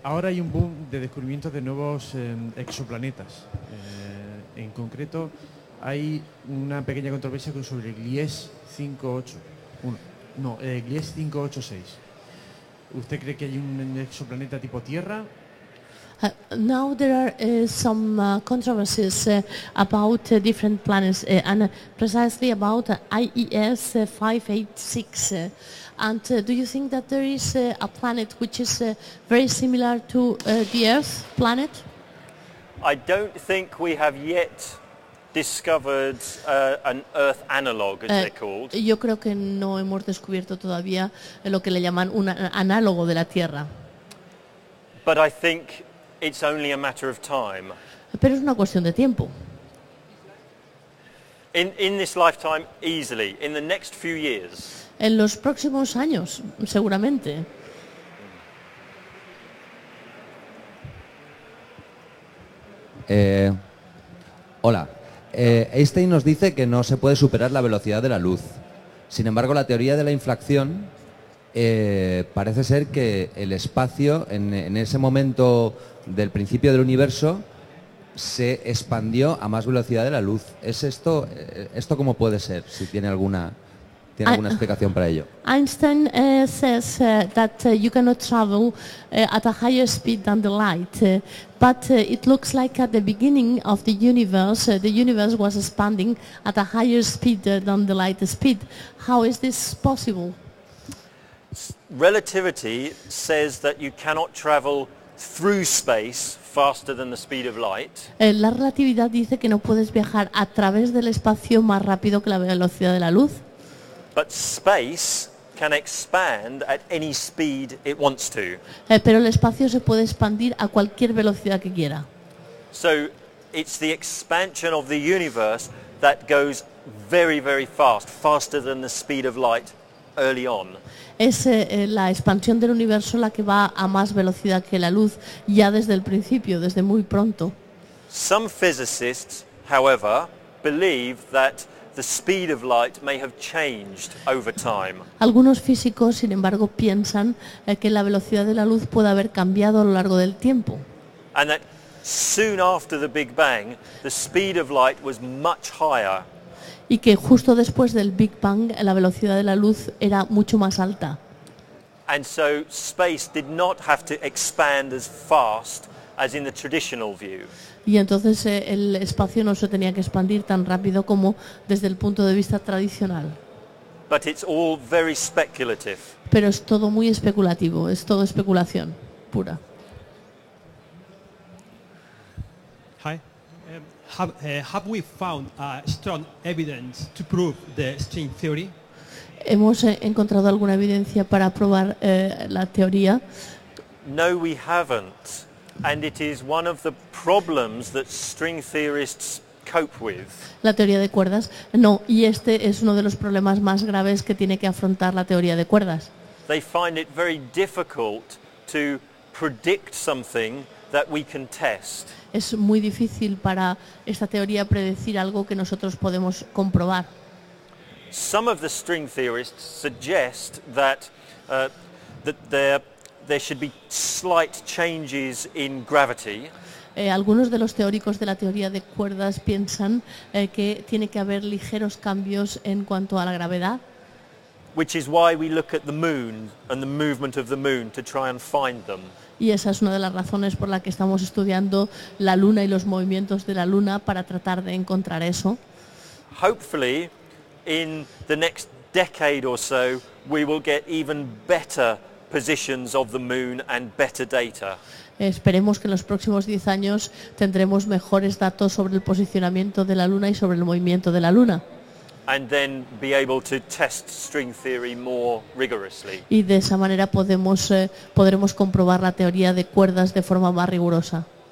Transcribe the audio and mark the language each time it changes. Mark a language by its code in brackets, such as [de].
[es] Ahora hay un boom de descubrimientos de nuevos exoplanetas. En concreto, hay una pequeña controversia sobre Gliese 586. ¿Usted cree que hay un exoplaneta tipo Tierra? [en] Now there are some controversies about different planets and precisely about IES 586. And do you think that there is a planet which is very similar to the Earth planet? I don't think we have yet discovered an Earth analog, as they're called. [es] Yo creo que no hemos descubierto todavía lo que le llaman un análogo de la Tierra. [en] But I think it's only a matter of time. [es] Pero es una cuestión de tiempo. [en] In this lifetime, easily. In the next few years. [es] En los próximos años, seguramente. Hola. Einstein nos dice que no se puede superar la velocidad de la luz. Sin embargo, la teoría de la inflación parece ser que el espacio en ese momento del principio del universo se expandió a más velocidad de la luz. ¿Es esto cómo puede ser? Si tiene alguna explicación para ello. [en] Einstein says that you cannot travel at a higher speed than the light. But it looks like at the beginning of the universe was expanding at a higher speed than the light speed. How is this possible? Relativity says that you cannot travel through space faster than the speed of light. [es] La relatividad dice que no puedes viajar a través del espacio más rápido que la velocidad de la luz. [en] But space can expand at any speed it wants to. [es] Pero el espacio se puede expandir a cualquier velocidad que quiera. [en] So it's the expansion of the universe that goes very, very fast, faster than the speed of light early on. [es] Es la expansión del universo la que va a más velocidad que la luz ya desde el principio, desde muy pronto. [en] Some physicists, however, believe that the speed of light may have changed over time. [es] Algunos físicos, sin embargo, piensan que la velocidad de la luz puede haber cambiado a lo largo del tiempo. [en] And that soon after the Big Bang, the speed of light was much higher. [es] Y que justo después del Big Bang, la velocidad de la luz era mucho más alta. [en] And so space did not have to expand as fast as in the traditional view. [es] Y entonces el espacio no se tenía que expandir tan rápido como desde el punto de vista tradicional. [en] But it's all very speculative. [es] Pero es todo muy especulativo, es todo especulación pura. [en] Hi. Have we found strong evidence to prove the string theory? [es] ¿Hemos encontrado alguna evidencia para probar la teoría? [en] No, we haven't. And it is one of the problems that string theorists cope with. [es] La teoría de cuerdas. No, y este es uno de los problemas más graves que tiene que afrontar la teoría de cuerdas. [en] They find it very difficult to predict something that we can test. [es] Es muy difícil para esta teoría predecir algo que nosotros podemos comprobar. [en] some of the string theorists suggest that that there should be slight changes in gravity. [es] Algunos de los teóricos de la teoría de cuerdas piensan que tiene que haber ligeros cambios en cuanto a la gravedad. [en] Which is why we look at the moon and the movement of the moon to try and find them. [es] Y esa es una de las razones por la que estamos estudiando la luna y los movimientos de la luna para tratar de encontrar eso. [en] Hopefully, in the next decade or so, we will get even better positions of the moon and better data. [es] Esperemos que en los próximos 10 años tendremos mejores datos sobre el posicionamiento de la luna y sobre el movimiento de la luna. [en] And then be able to test string theory more rigorously. [es] Y de esa manera podremos comprobar la teoría de cuerdas de forma más rigurosa.